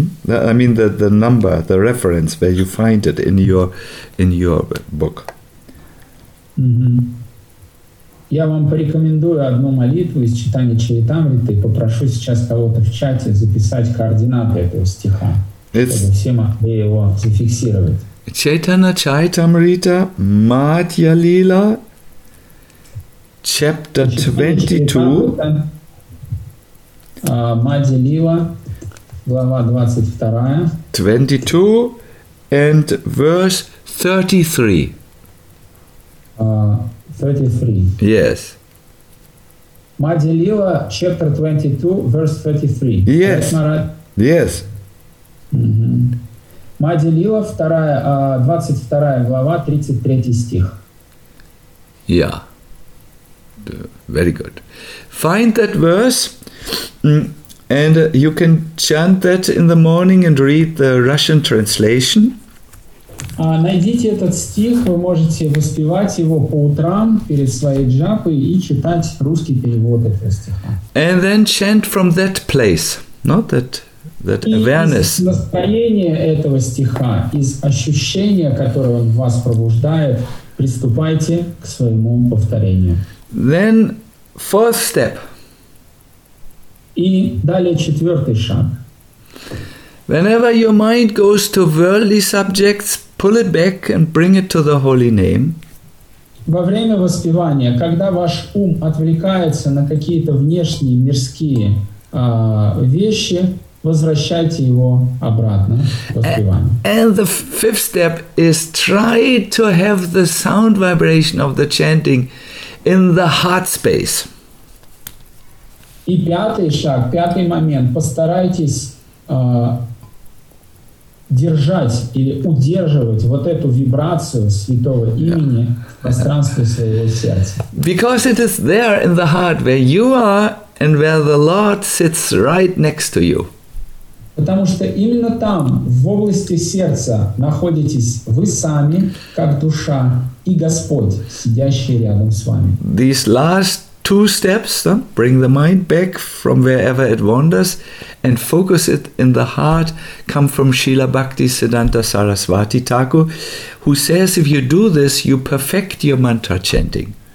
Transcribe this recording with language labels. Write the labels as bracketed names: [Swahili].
[English] The number, the reference where you find it in your book. [Russian] Я вам порекомендую одну молитву из Читания Чаритамриты и попрошу сейчас кого-то в чате записать координаты этого стиха, чтобы все могли его зафиксировать. [English] Chaitanya Charitamrita Madhya Lila Chapter 22. [Russian] Madhya Lila, глава 22. [English] 22 and verse 33. 33. Yes. Madhya Lila, chapter 22, verse 33. Yes. Right? Yes. [Russian] Madhya Lila, 22 глава, 33 стих. [English] Yeah. Very good. Find that verse. And you can chant that in the morning and read the Russian translation. [Russian] Найдите этот стих, вы можете воспевать его по утрам перед своей джапой и читать русский перевод этого стиха. [English] And then chant from that place, not that that awareness. [Russian] Из настроения этого стиха, из ощущения, которое он вас пробуждает, приступайте к своему повторению. [English] Then fourth step. [Russian] И далее четвертый шаг. [English] Whenever your mind goes to worldly subjects, pull it back and bring it to the holy name. [Russian] Во время воспевания, когда ваш ум отвлекается на какие-то внешние мирские вещи, возвращайте его обратно в воспевание. [English] And the fifth step is try to have the sound vibration of the chanting in the heart space. [Russian] И пятый шаг, пятый момент. Постарайтесь держать или удерживать вот эту вибрацию святого имени в пространстве своего сердца. [English] Because it is there in the heart where you are and where the Lord sits right next to you. [Russian] Потому что именно там, в области сердца, находитесь вы сами, как душа, и Господь, сидящий рядом с вами. [English] These last two steps, bring the mind back from wherever it wanders and focus it in the heart, come from Srila Bhakti Siddhanta Sarasvati Thakur, who says if you do this, you perfect your mantra chanting.